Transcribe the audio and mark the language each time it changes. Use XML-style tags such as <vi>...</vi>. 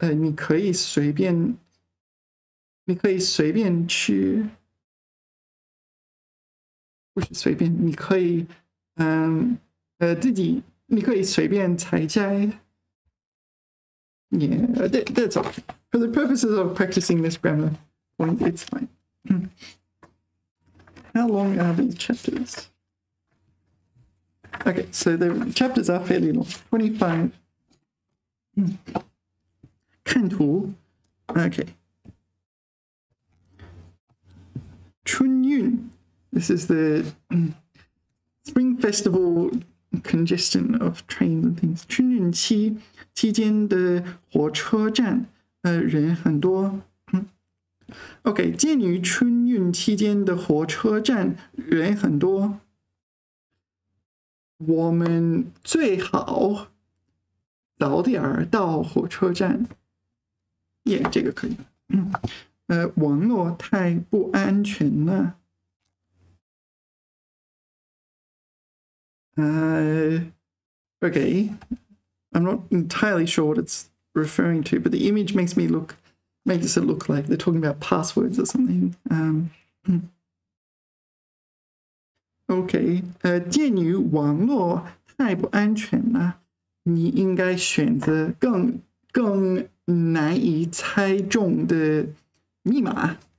<zh>你可以随便吃，不是随便，你可以，自己，你可以随便采摘。</zh> <en>That's all. For the purposes of practicing this grammar point, it's fine. How long are these chapters? Okay, so the chapters are fairly long. 25.</en> <zh>看图。Okay. 春运。</zh> <en>This is the Spring Festival congestion of trains and things.</en> <zh>春运期间的火车站，人很多。 OK，鉴于春运期间的火车站人很多，我们最好早点到火车站。这个可以。网络太不安全了。</zh> <en>OK，I'm not entirely sure what it's referring to, but the image makes me look. Makes it look like they're talking about passwords or something.</en> <zh>OK，鉴于网络太不安全了，你应该选择更难以猜中的密码。</zh>